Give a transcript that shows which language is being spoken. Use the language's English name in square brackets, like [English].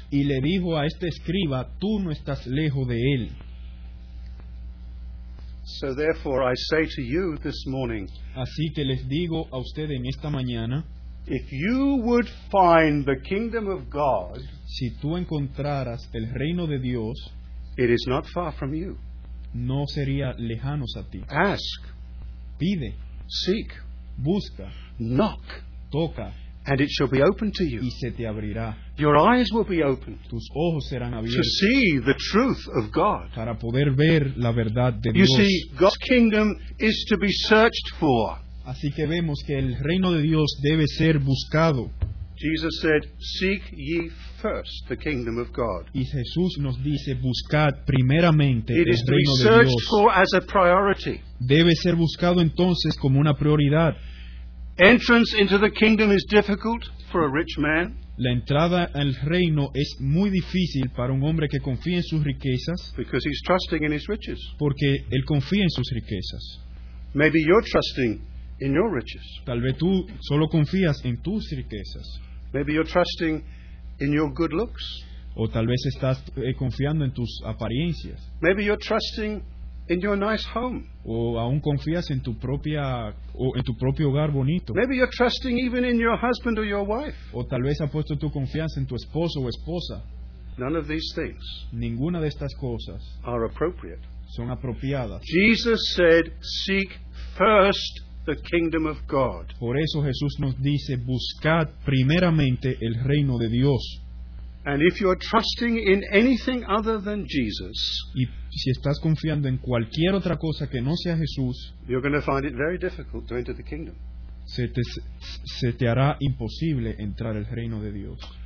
[Spanish] Y le dijo a este escriba, tú no estás lejos de él. [English] So therefore I say to you this morning. [Spanish] Así que les digo a ustedes en esta mañana. [English] If you would find the kingdom of God. [Spanish] Si tú encontraras el reino de Dios. [English] It is not far from you. [Spanish] No sería lejanos a ti. [English] Ask. [Spanish] Pide. [English] Seek. [Spanish] Busca. [English] Knock. [Spanish] Toca. [English] And it shall be open to you. [Spanish] Y se te abrirá. [English] Your eyes will be open. [Spanish] Tus ojos serán abiertos. [English] To see the truth of God. [Spanish] Para poder ver la verdad de [English] you [Spanish] Dios. [English] You see, God's kingdom is to be searched for. [Spanish] Así que vemos que el reino de Dios debe ser buscado. [English] Jesus said, "Seek ye first the kingdom of God." [Spanish] Y Jesús nos dice, buscad primeramente el reino de Dios. [English] It is to be searched for as a priority. [Spanish] Debe ser buscado entonces como una prioridad. [English] Entrance into the kingdom is difficult for a rich man. [Spanish] La entrada al reino es muy difícil para un hombre que confía en sus riquezas. [English] Because he's trusting in his riches. [Spanish] Porque él confía en sus riquezas. [English] Maybe you're trusting in your riches. [Spanish] Tal vez tú solo confías en tus riquezas. [English] Maybe you're trusting in your good looks. [Spanish] O tal vez estás confiando en tus apariencias. [English] Maybe you're trusting in your nice home. [Spanish] O aún confías en tu propia o en tu propio hogar bonito. [English] Maybe you're trusting even in your husband or your wife. [Spanish] O tal vez has puesto tu confianza en tu esposo o esposa. [English] None of these things. [Spanish] Ninguna de estas cosas [English] are appropriate. [Spanish] Son apropiadas. [English] Jesus said, "Seek first the kingdom of God." [Spanish] Por eso Jesús nos dice, buscad primeramente el reino de Dios. [English] And if you are trusting in anything other than Jesus, [Spanish] y si estás confiando en cualquier otra cosa que no sea Jesús, [English] you're going to find it very difficult to enter the kingdom. [Spanish] Se te hará imposible entrar al reino de Dios.